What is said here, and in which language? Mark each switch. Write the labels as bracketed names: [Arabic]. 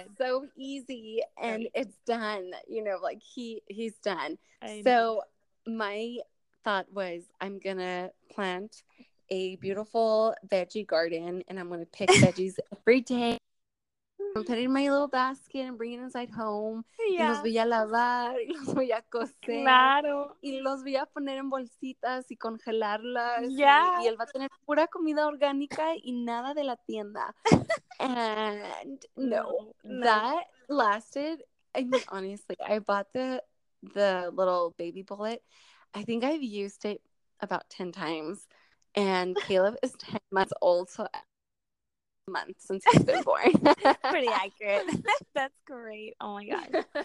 [English] It's so easy and it's done, you know, like he's done. I know. My thought was I'm gonna plant a beautiful veggie garden and I'm gonna pick veggies every day. I'm putting my little basket and bringing it inside home. [Spanish] Yeah. Y los voy a lavar, y los voy a cocer. Claro. Y los voy a poner en bolsitas y congelarlas. [English] Yeah. [Spanish] Y él va a tener pura comida orgánica y nada de la tienda. [English] And no. That lasted. I mean, honestly, I bought the little baby bullet. I think I've used it about 10 times. And Caleb is 10 months old, so months since he's been born. Pretty accurate. That's great. Oh my god.